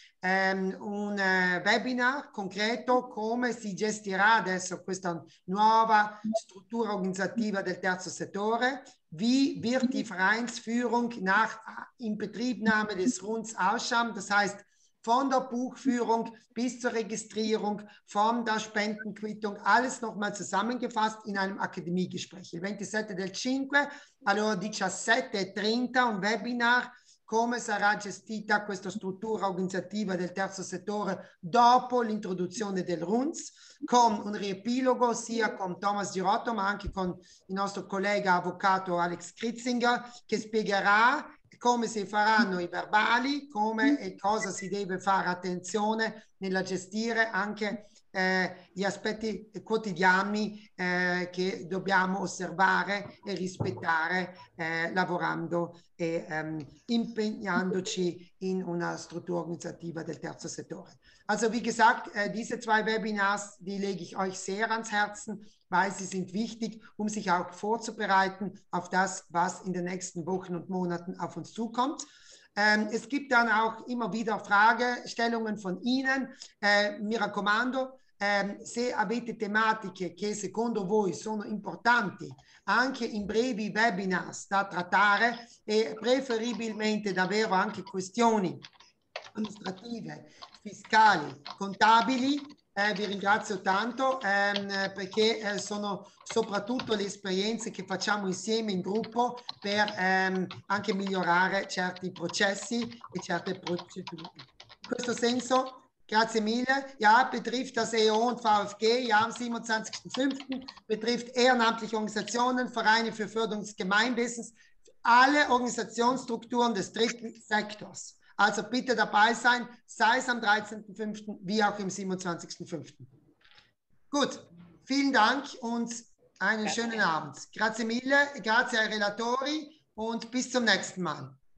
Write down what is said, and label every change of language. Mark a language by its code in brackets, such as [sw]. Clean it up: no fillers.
[it] un webinar concreto come si gestirà adesso questa nuova struttura organizzativa del terzo settore, [de] wie wird die Vereinsführung nach Inbetriebnahme des Runds ausschauen, das heißt von der Buchführung bis zur Registrierung, von der Spendenquittung, alles nochmal zusammengefasst in einem Akademiegespräch. [it] Il 27 del 5, allora 17.30, un Webinar, come sarà gestita questa struttura organizzativa del terzo settore dopo l'introduzione del RUNS, con un riepilogo sia con Thomas Girotto, ma anche con il nostro collega avvocato Alex Kritzinger, che spiegherà come si faranno i verbali, come e cosa si deve fare attenzione nella gestire anche gli aspetti quotidiani che dobbiamo osservare e rispettare lavorando e impegnandoci in una struttura organizzativa del terzo settore. [de] Also wie gesagt, diese zwei Webinars, die lege ich euch sehr ans Herzen, weil sie sind wichtig, um sich auch vorzubereiten auf das, was in den nächsten Wochen und Monaten auf uns zukommt. Es gibt dann auch immer wieder Fragestellungen von Ihnen. [it] Mi raccomando, se avete tematiche che secondo voi sono importanti anche in brevi webinars da trattare e preferibilmente davvero anche questioni amministrative, fiscali, contabili, vi ringrazio tanto perché sono soprattutto le esperienze che facciamo insieme in gruppo per anche migliorare certi processi e certe procedure. In questo senso, grazie mille. [de] Ja, betrifft das EO und VfG, ja, am 27.05. betrifft ehrenamtliche Organisationen, Vereine für Förderung des Gemeinwesens, alle Organisationsstrukturen des dritten Sektors. Also bitte dabei sein, sei es am 13.05. wie auch im 27.05. Gut, vielen Dank und einen schönen Abend. [it] Grazie mille, grazie ai relatori [de] und bis zum nächsten Mal.